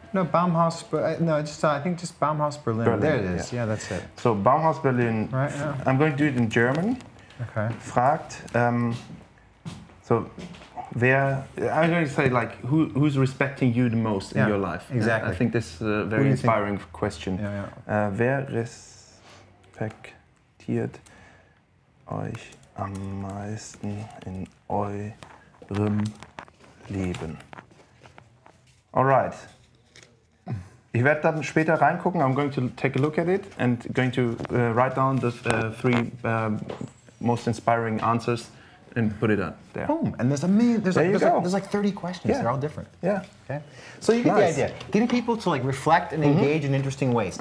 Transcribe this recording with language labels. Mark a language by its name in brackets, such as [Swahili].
[English] No, Baumhaus, I think just Baumhaus Berlin. There it is. Yeah. Yeah, that's it. So Baumhaus Berlin. Right, yeah. I'm going to do it in German. Okay. Fragt, I'm going to say, like, who's respecting you the most in your life? Exactly. I think this is a very inspiring question. Yeah, yeah. [German] Wer respektiert euch am meisten in eurem Leben? All right. Ich werde dann später reingucken. [English] I'm going to take a look at it and going to write down the three most inspiring answers and put it on there. Boom. And there's like 30 questions. Yeah. They're all different. Yeah. Okay. So you get the idea. Getting people to like reflect and engage in interesting ways.